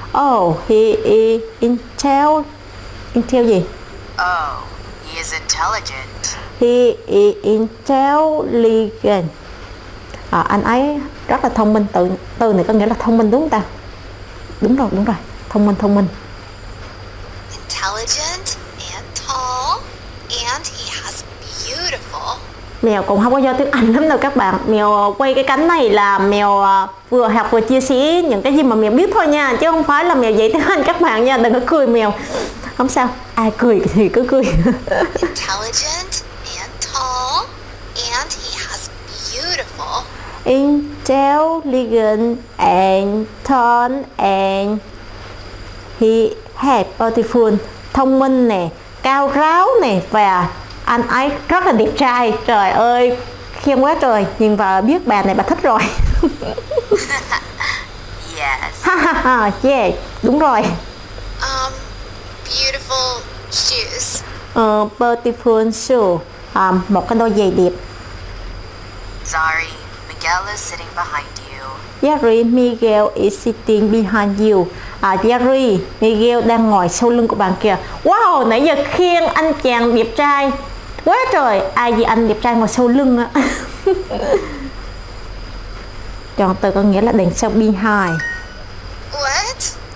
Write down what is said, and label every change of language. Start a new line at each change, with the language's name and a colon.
English: Oh, he is intelligent gì? Oh, he is intelligent. He is intelligent.
Vietnamese: À, anh ấy rất là thông minh. Từ này có nghĩa là thông minh đúng không ta? Đúng rồi. Thông minh.
English: Intelligent and tall, and he has beautiful.
Vietnamese: Mèo cũng không có giỏi tiếng Anh lắm đâu các bạn. Mèo quay cái cánh này là mèo vừa học vừa chia sẻ những cái gì mà mèo biết thôi nha. Chứ không phải là mèo dạy tiếng Anh các bạn nha. Đừng có cười mèo. Không sao, ai cười thì cứ cười.
English: Intelligent and tall, and he has beautiful. Intelligent and tall, and he has beautiful.
Vietnamese: Thông minh nè, cao ráo nè, và anh ấy rất là đẹp trai. Trời ơi, khen quá trời. Nhìn vào biết bà này bà thích rồi.
English: Yes.
Vietnamese: Yeah, đúng rồi.
English: Beautiful shoes. Beautiful shoes.
Vietnamese: Một cái đôi giày đẹp.
English: Sorry, Miguel is sitting behind you. Jerry, Miguel is sitting behind you.
Vietnamese: Jerry, Miguel đang ngồi sau lưng của bạn kìa. Wow, nãy giờ khen anh chàng đẹp trai quá trời, ai gì anh đẹp trai ngồi sau lưng á. Chọn từ có nghĩa là đằng sau, behind.
English: What?